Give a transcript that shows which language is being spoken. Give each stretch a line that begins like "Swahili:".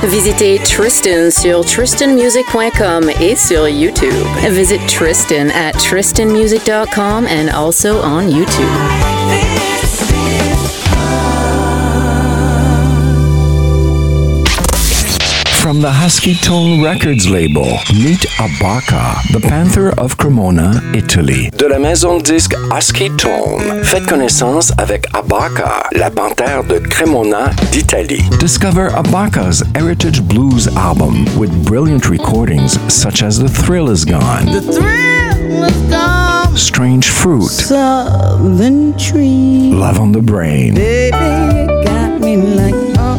French: Visitez Tristan sur tristanmusic.com et sur YouTube.
English: Visit Tristan at tristanmusic.com and also on YouTube. From the Husky Tone Records label, meet Abaca, the panther of Cremona, Italy.
French: De la maison disque Husky Tone, faites connaissance avec Abaca, la panthère de Cremona, d'Italie.
English: Discover Abaca's Heritage Blues album with brilliant recordings such as The Thrill Is Gone, The Thrill Is Gone, Strange Fruit, Southern Tree, Love on the Brain, Baby, got me like